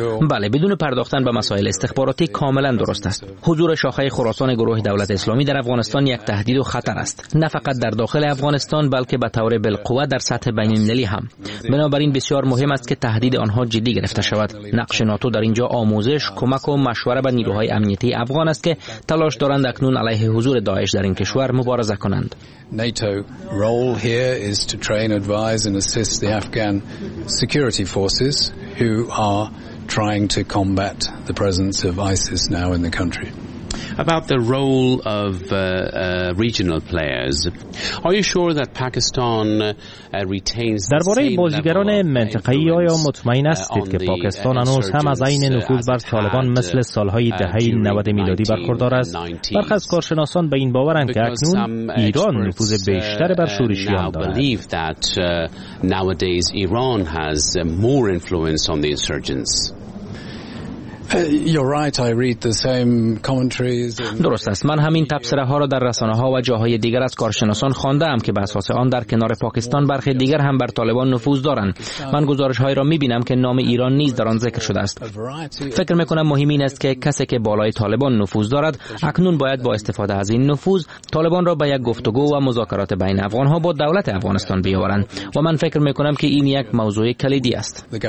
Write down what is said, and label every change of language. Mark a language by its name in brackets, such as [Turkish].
[Persian] بله، بدون پرداختن به مسائل استخباراتی کاملا درست است. حضور شاخه خراسان گروه دولت اسلامی در افغانستان یک تهدید و خطر است، نه فقط در داخل افغانستان بلکه به طور بالقوه در سطح بین المللی هم. بنابراین بسیار مهم است که تهدید آنها جدی گرفته شود. نقش ناتو در اینجا آموزش، کمک و مشوره به نیروهای امنیتی افغان است که تلاش دارند اکنون علیه حضور داعش در این کشور مبارزه کنند. [English] NATO role here is to train, advise and assist the Afghan security forces who are trying to combat the presence of ISIS now in the country. About the role of regional players, are you sure that Pakistan retains [Persian] درباره بازیگران منطقه‌ای آیا مطمئن هستید که پاکستان هنوز هم از عین نفوذ بر طالبان مثل سالهای دهه 90 میلادی برخوردار است؟ برخی از کارشناسان به این باورند که اکنون ایران نفوذ بیشتر بر شورشیان دارد. [English] Believe that nowadays Iran has more influence on the insurgents. You're right, I read the same commentaries. [Persian] درست است. من همین تبصره ها را در رسانه ها و جاهای دیگر از کارشناسان خوانده ام که به اساس آن در کنار پاکستان برخی دیگر هم بر طالبان نفوذ دارند. من گزارش های را می بینم که نام ایران نیز در آن ذکر شده است. فکر می کنم مهم این است که کسی که بالای طالبان نفوذ دارد اکنون باید با استفاده از این نفوذ طالبان را به یک گفتگو و مذاکرات بین افغان ها با دولت افغانستان بیاورند، و من فکر می کنم که این یک موضوع کلیدی است.